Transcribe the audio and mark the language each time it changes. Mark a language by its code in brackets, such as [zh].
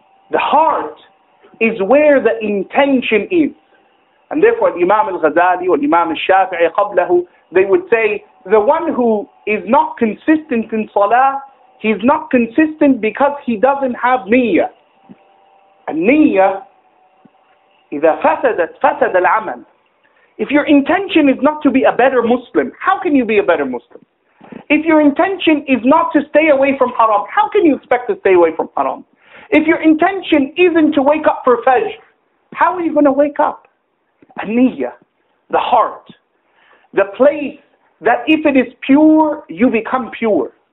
[en] The heart is where the intention is. And therefore, Imam al-Ghazali or Imam al-Shafi'i qablahu, they would say, the one who is not consistent in salah, he's not consistent because he doesn't have niyyah. And niyyah, [ar] إِذَا فَسَدَتْ فَسَدَ الْعَمَلِ. [en] If your intention is not to be a better Muslim, how can you be a better Muslim? If your intention is not to stay away from haram, how can you expect to stay away from haram? If your intention isn't to wake up for fajr, how are you going to wake up? Niyyah, the heart, the place that if it is pure, you become pure.